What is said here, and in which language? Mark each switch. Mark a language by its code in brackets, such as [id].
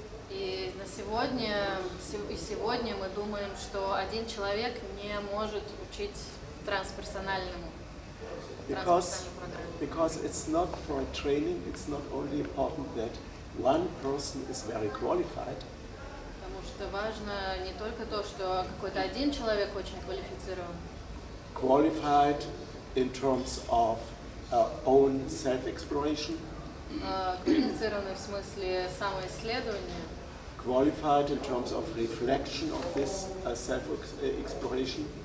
[ru] И на сегодня, и сегодня мы думаем, что один человек не может учить трансперсональному. [en] Because it's not for a training, it's not only important that one person is very qualified. [ru] Потому что важно не только то, что какой-то один человек очень квалифицирован. [en] Qualified in terms of own self-exploration, [ru] квалифицированный в смысле самоисследования, [en] qualified in terms of reflection of this self-exploration,